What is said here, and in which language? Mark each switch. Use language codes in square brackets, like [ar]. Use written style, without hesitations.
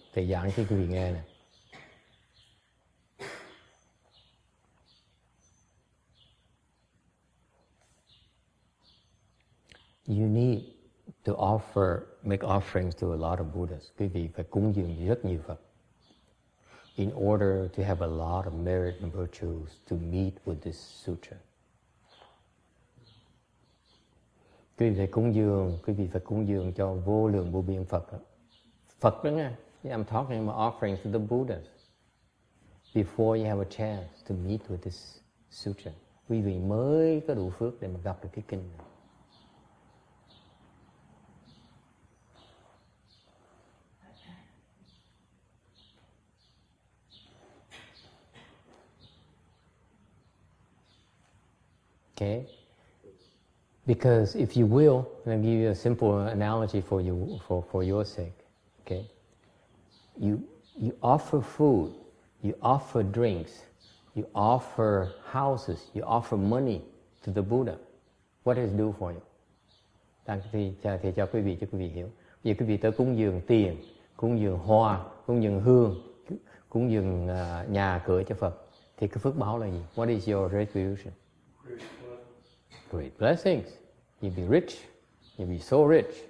[vi] Thầy giảng cho quý vị nghe nè. [en] You need to offer, make offerings to a lot of Buddhas. [vi] Quý vị phải cúng dường rất nhiều Phật. [en] In order to have a lot of merit and virtues to meet with this sutra. [vi] Quý vị phải cúng dường, quý vị phải cúng dường cho vô lượng vô biên Phật. Phật đó nghe. [en] Yeah, I'm talking about offerings to the Buddhas. Before you have a chance to meet with this sutra, [vi] quý vị mới có đủ phước để mà gặp được cái kinh này. [en] Okay, because if you will, and I'll give you a simple analogy for you, for your sake. Okay, you offer food, you offer drinks, you offer houses, you offer money to the Buddha. What does it do for you? [vi] Đang thì cho quý vị, cho quý vị hiểu. Bây giờ quý vị tới cúng dường tiền, cúng dường hoa, cúng dường hương, cúng dường nhà cửa cho Phật. Thì cái phước báo là gì? [en] What is your retribution? Great blessings. You'll be rich. You'll be so rich.